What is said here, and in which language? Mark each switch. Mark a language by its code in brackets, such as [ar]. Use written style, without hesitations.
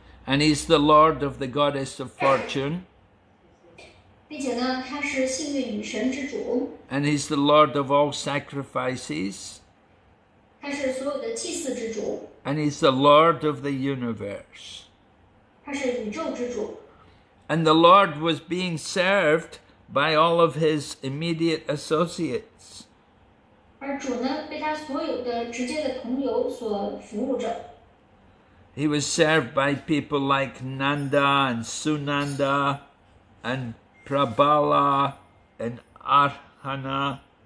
[en] And he's the Lord of the Goddess of Fortune. [zh] 并且呢,他是幸运女神之主。 [en] And he's the Lord of all sacrifices. [zh] 他是所有的祭祀之主。 [en] And he's the Lord of the universe. [zh] 他是宇宙之主。 [en] And the Lord was being served by all of his immediate associates. [zh] 而主呢,被他所有的直接的朋友所服务着。 [en] He was served by people like Nanda and Sunanda and Prabala and Arhana.